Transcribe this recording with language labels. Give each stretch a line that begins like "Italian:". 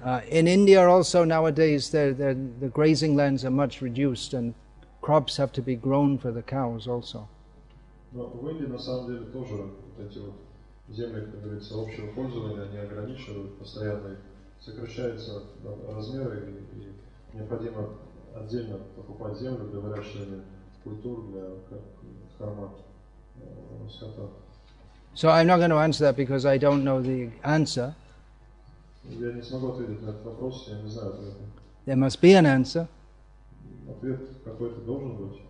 English: In India also nowadays, the grazing lands are much reduced and crops have to be grown for the cows also.
Russian: Но в Индии, на самом деле, тоже вот эти вот земли, как говорится, общего пользования, они ограничивают постоянно, сокращаются размеры, и необходимо отдельно покупать землю для выращивания культур, для корма скота.
English: So I'm not going to answer that because I don't know the answer.
Russian: Я не смогу ответить на этот вопрос, я не знаю ответа.
English: There must be an answer.
Russian: Ответ какой-то должен быть.